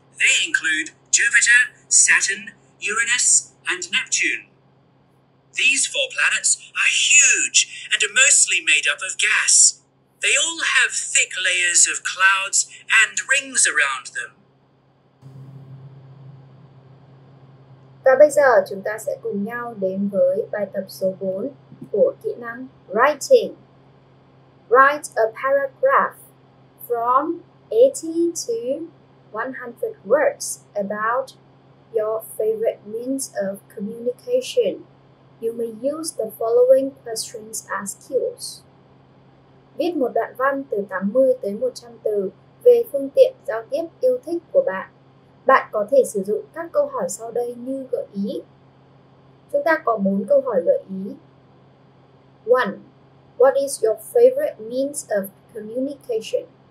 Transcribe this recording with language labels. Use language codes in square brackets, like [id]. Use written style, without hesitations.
[en] They include Jupiter, Saturn, Uranus, and Neptune. These four planets are huge and are mostly made up of gas. They all have thick layers of clouds and rings around them. [vi] Và bây giờ chúng ta sẽ cùng nhau đến với bài tập số 4 của kỹ năng Writing. [en] Write a paragraph from 80 to 100 words about your favorite means of communication. You may use the following questions as cues. [vi] Viết một đoạn văn từ 80 tới 100 từ về phương tiện giao tiếp yêu thích của bạn. Bạn có thể sử dụng các câu hỏi sau đây như gợi ý. Chúng ta có 4 câu hỏi gợi ý. 1. [en] What is your favorite means of communication?